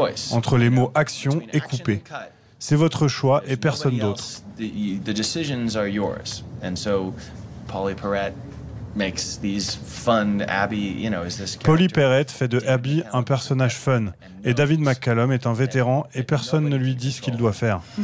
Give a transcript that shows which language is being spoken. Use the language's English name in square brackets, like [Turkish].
[French] Entre les mots « action » et « couper ». C'est votre choix et personne d'autre. Les décisions sont vos. Et donc, [English] Pauly Perrette makes these fun Abby, you know, is this character. [French] Pauly Perrette fait de Abby un personnage fun, et David McCallum est un vétéran et personne ne lui dit ce qu'il doit faire.